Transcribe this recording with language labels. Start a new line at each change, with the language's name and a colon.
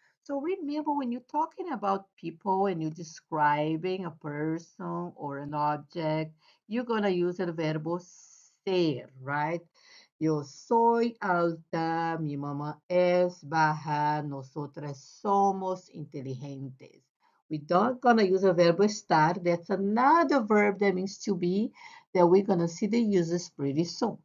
English: So remember, when you're talking about people and you're describing a person or an object, you're going to use the verbo ser, right?
Spanish: Yo soy alta, mi mamá es baja, nosotras somos inteligentes.
English: We're not going to use the verbo estar. That's another verb that means to be, that we're going to see the uses pretty soon.